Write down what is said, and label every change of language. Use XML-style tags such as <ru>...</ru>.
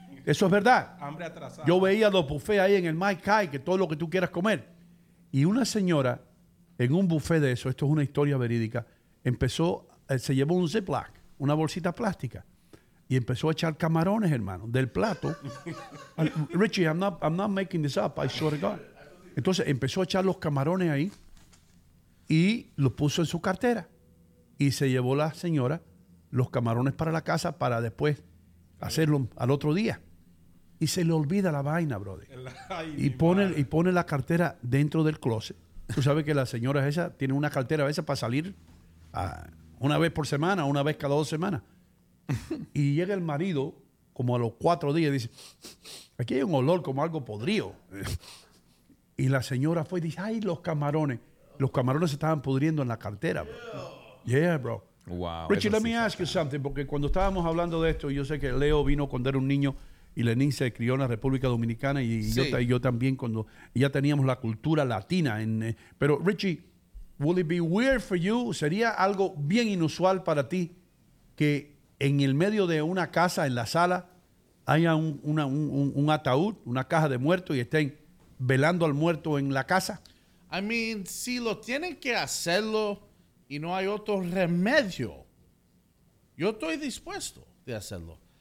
<es>Eso es verdad. Hambre atrasada. Yo veía los buffets ahí en el Maikai, que todo lo que tú quieras comer. Y una señora, en un buffet de eso, esto es una historia verídica, empezó, se llevó un Ziploc, una bolsita plástica, y empezó a echar camarones, hermano, del plato.</es> <en>Richie, I'm not making this up, I swear to God.</en> <es>Entonces empezó a echar los camarones ahí y los puso en su cartera. Y se llevó la señora los camarones para la casa para después hacerlo al otro día. Y se le olvida la vaina, brother. Y pone la cartera dentro del closet. Tú sabes que la señora esa tiene una cartera a veces para salir una vez por semana, una vez cada dos semanas. Y llega el marido como a los cuatro días y dice, aquí hay un olor como algo podrido. Y la señora fue y dice, ay, los camarones. Los camarones se estaban pudriendo en la cartera, bro.</es> <en>Yeah, bro. Wow.</en> <es>Richie,</es> <en>let me ask you something,</en> <es>porque cuando estábamos hablando de esto, yo sé que Leo vino cuando era un niño y Lenín se crió en la República Dominicana y, sí. yo también cuando ya teníamos la cultura latina.</es> <en>Pero, Richie, would it be weird for you?</en> <es>¿Sería algo bien inusual para ti que en el medio de una casa, en la sala, haya un ataúd, una caja de muertos y estén velando al muerto en la casa? I mean, si lo tienen que hacerlo y no hay otro remedio, yo estoy dispuesto de hacerlo.</es>